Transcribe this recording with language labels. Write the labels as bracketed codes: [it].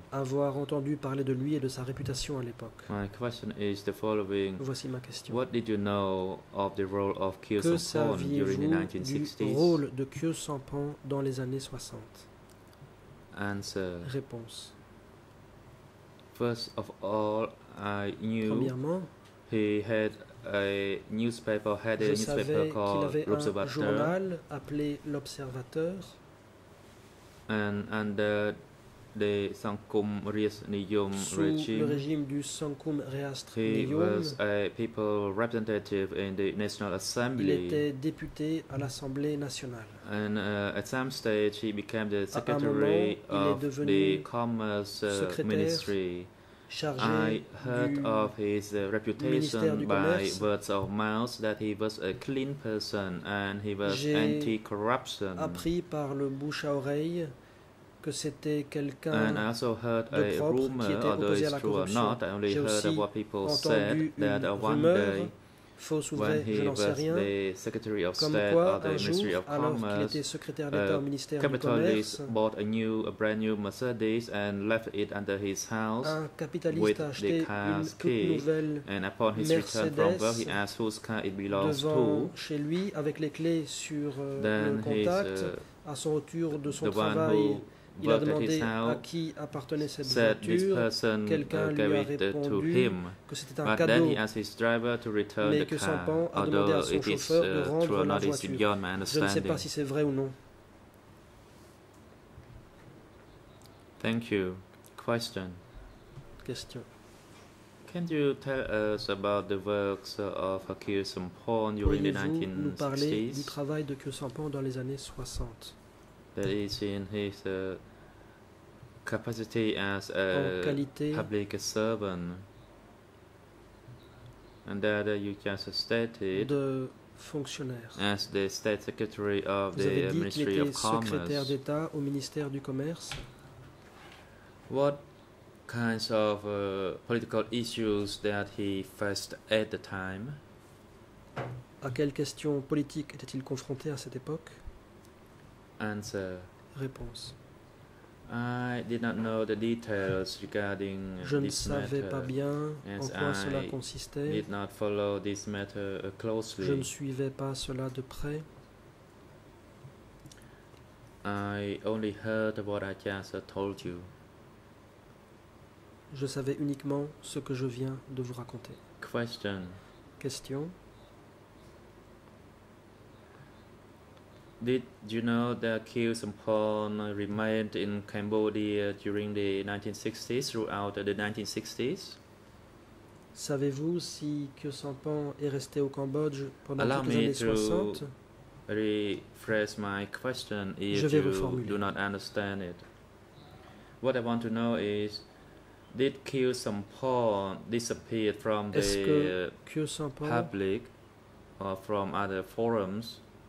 [fr] Avoir entendu parler de lui et de sa réputation à l'époque. [en] My question is the following. [fr] Voici ma question. [en] What did you know of the role of Kyo Sampan during the 1960s? [fr] Du rôle de Kyo Sampan dans les années 60. [en] Answer. [fr] Réponse. [en] First of all, I knew. [fr] Premièrement. [en] He had a newspaper, had a newspaper called L'Observateur. [fr] Je savais qu'il avait un journal appelé L'Observateur. [en] And under the Sangkum Rias Niyum [fr] regime. Sous le régime du Sangkum Rias Niyum. [en] He was a people representative in the National Assembly. [fr] Il était député à l'Assemblée nationale. [en] And at some stage he became the secretary of the Commerce Ministry. I heard of his reputation by words of mouth that he was a clean person and he was anti-corruption. [fr] J'ai appris par le bouche à oreille que c'était quelqu'un [en] and I also heard a rumor, although it's true or not, I only heard of what people said that one day when he was the Secretary of State of the Ministry of Commerce, capitalist bought a brand new Mercedes and left it under his house with the car's key. And upon his return from work, he asked whose car it belongs to. [fr] Chez lui, avec les clés sur [en] then [fr] le contact, à son retour de son travail. Il a demandé à qui appartenait cette voiture. Quelqu'un lui a répondu que c'était un cadeau, mais que Sampan a demandé à son chauffeur de rendre la voiture. Je ne sais pas si c'est vrai ou non. [en] Thank you. Question. [fr] Question. [en] Can you tell us about the works of Kyo Sampan during the 1960s? [fr] Nous parler du travail de Kyo Sampan dans les années 60. [en] That is in his capacity as a public servant, and that you just stated as the state secretary of the Ministry of Commerce. [fr] Secrétaire d'État au ministère du Commerce. [en] What kinds of political issues that he faced at the time? [fr] À quelles questions politiques était-il confronté à cette époque? [en] Answer. [fr] Réponse. [en] I did not know the details regarding [fr] je ne savais pas bien en quoi [en] I [fr] cela consistait. [en] Did not follow this matter closely. [fr] Je ne suivais pas cela de près. [en] I only heard what I just told you. [fr] Je savais uniquement ce que je viens de vous raconter. [en] Question. [fr] Question. [en] Did you know that Kyo Sampan remained in Cambodia during the 1960s, throughout the 1960s? [fr] Savez-vous si Kyo Sampan est resté au Cambodge pendant toutes les années 60? [en] Allow me to rephrase my question if you do not understand it. What I want to know is, did Kyo Sampan disappear from the public or from other forums?